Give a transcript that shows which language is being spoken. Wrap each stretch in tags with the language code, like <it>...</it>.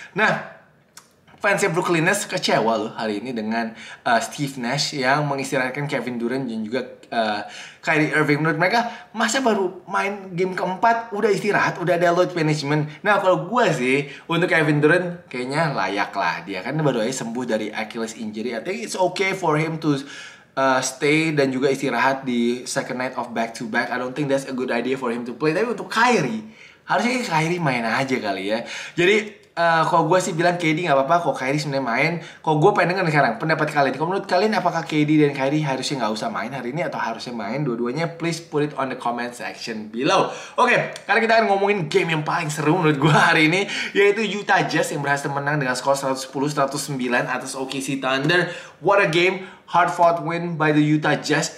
<id>Nah, fans Brooklyn Nets kecewa loh hari ini dengan Steve Nash yang mengistirahatkan Kevin Durant dan juga Kyrie Irving. Menurut mereka, masa baru main game keempat udah istirahat, udah ada load management. Nah, kalau gue sih untuk Kevin Durant kayaknya layak lah, dia kan baru aja sembuh dari Achilles injury.</id> <en>I think it's okay for him to stay</en> <id>dan juga istirahat di</id> <en>second night of back to back. I don't think that's a good idea for him to play.</en> <id>Tapi untuk Kyrie, harusnya Kyrie main aja kali ya. Jadi kalau gue sih bilang KD gak apa-apa, kalau Kyrie sebenarnya main. Kalau gue pengen denger sekarang pendapat kalian, kalau menurut kalian apakah KD dan Kyrie harusnya gak usah main hari ini atau harusnya main dua-duanya?</id> <en>Please put it on the comment section below.</en> <id>Oke, karena kita akan ngomongin game yang paling seru menurut gue hari ini, yaitu Utah Jazz yang berhasil menang dengan skor 110-109 atas OKC Thunder.</id> <en>What a game, hard fought win by the Utah Jazz.</en>